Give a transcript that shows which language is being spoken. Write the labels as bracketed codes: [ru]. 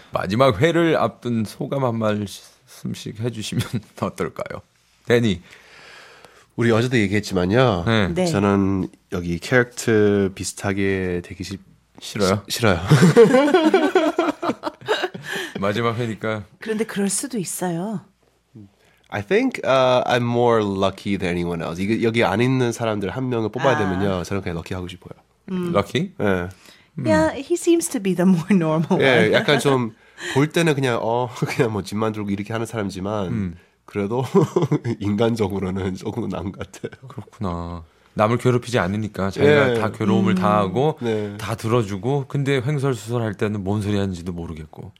[ko] 마지막 회를 앞둔 소감 한 말씀씩 해주시면 어떨까요? 데니. 우리 어제도 얘기했지만요. 네. 네. 저는 여기 캐릭터 비슷하게 되기 싫어요. 싫어요. 마지막 회니까. 그런데 그럴 수도 있어요. [en] I think I'm more lucky than anyone else. [ko] 여기 안 있는 사람들 한 명을 뽑아야 되면요, 저는 그냥 lucky 하고 싶어요. [en] Lucky? [ko] 예. [en] Yeah, he seems to be the more normal. [ko] 예, 약간 좀 볼 때는 그냥 그냥 뭐 집만 들고 이렇게 하는 사람이지만 그래도 인간적으로는 조금 나은 것 같아요. 그렇구나. 남을 괴롭히지 않으니까 자기가 예. 다 괴로움을 다 하고 네. 다 들어주고, 근데 횡설수설 할 때는 뭔 소리 하는지도 모르겠고.